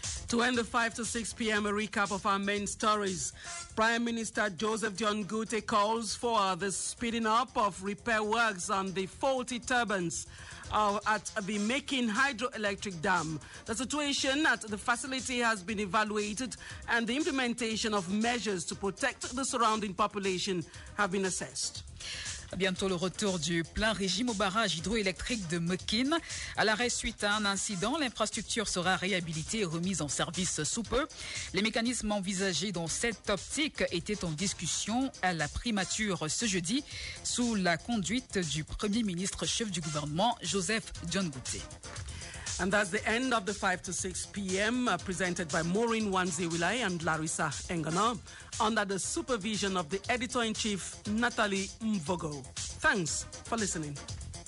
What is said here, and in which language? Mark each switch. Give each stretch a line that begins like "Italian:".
English: To end the 5 to 6 p.m. a recap of our main stories, Prime Minister Joseph John Guti calls for the speeding up of repair works on the faulty turbines at the Mekin Hydroelectric Dam. The situation at the facility has been evaluated and the implementation of measures to protect the surrounding population have been assessed.
French: Bientôt le retour du plein régime au barrage hydroélectrique de Mekin. À l'arrêt suite à un incident, l'infrastructure sera réhabilitée et remise en service sous peu. Les mécanismes envisagés dans cette optique étaient en discussion à la primature ce jeudi sous la conduite du Premier ministre chef du gouvernement, Joseph John Guti.
English: And that's the end of the 5 to 6 p.m. Presented by Maureen Wanziwilai and Larissa Engana, under the supervision of the editor-in-chief, Natalie Mvogo. Thanks for listening.